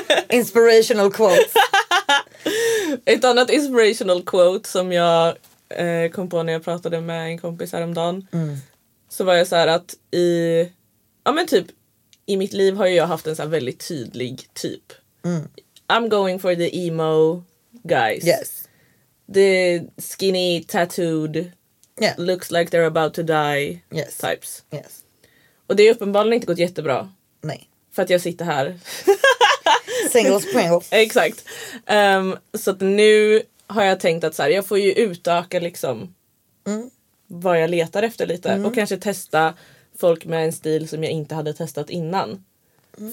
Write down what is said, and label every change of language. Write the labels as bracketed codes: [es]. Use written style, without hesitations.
[en] Inspirational quote. [sv] Ett annat inspirational quote som jag kom på när jag pratade med en kompis häromdagen. Mm. Så var jag så här att i, ja men typ, i mitt liv har jag haft en så här väldigt tydlig typ. Mm. [en] I'm going for the emo guys. Yes. The skinny, tattooed, yeah, looks like they're about to die, yes, types. Yes. [sv] Och det är uppenbarligen inte gått jättebra. Nej. För att jag sitter här. [en] Singles, pringles. [sv] Exakt. Så att nu har jag tänkt att så här, jag får ju utöka liksom, mm, vad jag letar efter lite. Mm. Och kanske testa folk med en stil som jag inte hade testat innan. Mm.